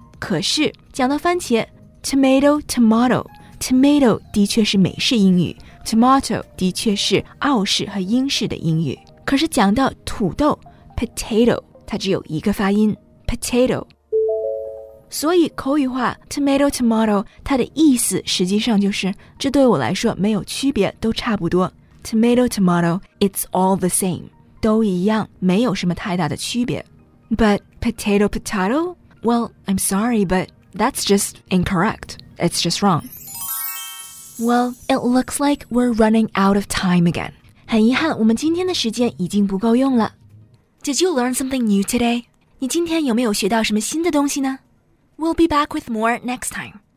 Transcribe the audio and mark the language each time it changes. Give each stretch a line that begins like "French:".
Chinese: 可是讲到番茄 tomato tomato， tomato 的确是美式英语， tomato 的确是澳式和英式的英语。可是讲到土豆 potato， 它只有一个发音 potato。所以口语化 tomato tomato 它的意思实际上就是这对我来说没有区别，都差不多。
English: Tomato, tomato, it's all the same.
Chinese: 都一样，没有什么太大的区别。
English: But potato, potato? Well, I'm sorry, but that's just incorrect. It's just wrong. Well, it looks like we're running out of time again.
Chinese: 很遗憾，我们今天的时间已经不够用了。
English: Did you learn something new today?
Chinese: 你今天有没有学到什么新的东西呢？
English: We'll be back with more next time.